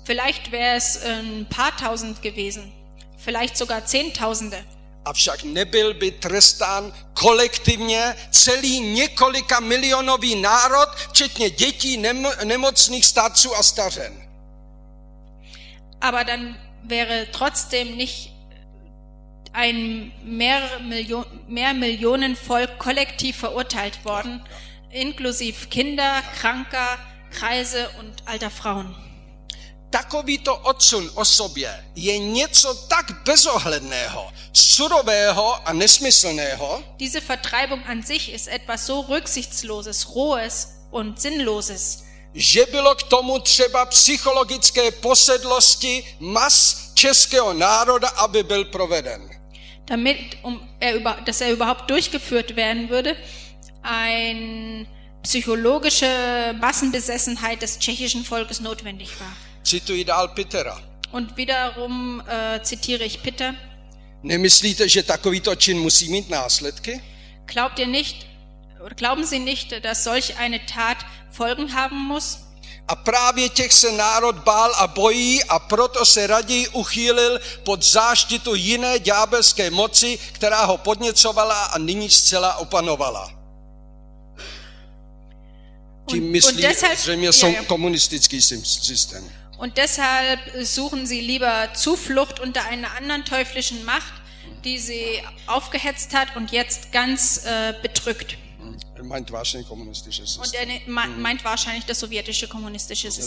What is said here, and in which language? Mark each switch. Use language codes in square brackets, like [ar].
[de] Vielleicht wäre es ein paar tausend gewesen, vielleicht sogar zehntausende. [cs] Avšak nebyl by trestán kolektivně celý několika milionový národ, včetně dětí, nemocných, starců a stařen. [de] Aber dann wäre trotzdem nicht ein mehr Millionen Volk kollektiv verurteilt worden, inklusiv Kinder, Kranker, Kreise und alter Frauen. [cs] takovýto odsun o sobě je něco tak bezohledného, surového a nesmyslného. [de] Diese Vertreibung an sich ist etwas so rücksichtsloses, rohes und sinnloses. [cs] Že bylo k tomu třeba psychologické posedlosti mas českého národa, aby byl proveden. [de] Damit dass er überhaupt durchgeführt werden würde, ein psychologische Massenbesessenheit des tschechischen Volkes notwendig war. [cs] Cituji dál Pittera. [de] Und wiederum zitiere ich Pitter. [cs] Nemyslíte, že takovýto čin musí mít následky? [de] Glaubt ihr nicht, oder glauben Sie nicht, dass solch eine Tat Folgen haben muss? [cs] A právě těch se národ bál a bojí a proto se raději uchýlil pod záštitu jiné ďábelské moci, která ho podněcovala a nyní zcela opanovala. Tím myslí, zřejmě jsou komunistický systém. [de] Und deshalb suchen sie lieber Zuflucht unter einer anderen teuflischen Macht, die sie aufgehetzt hat und jetzt ganz bedrückt. Er meint wahrscheinlich kommunistisches System. Und er meint wahrscheinlich das sowjetische kommunistische System.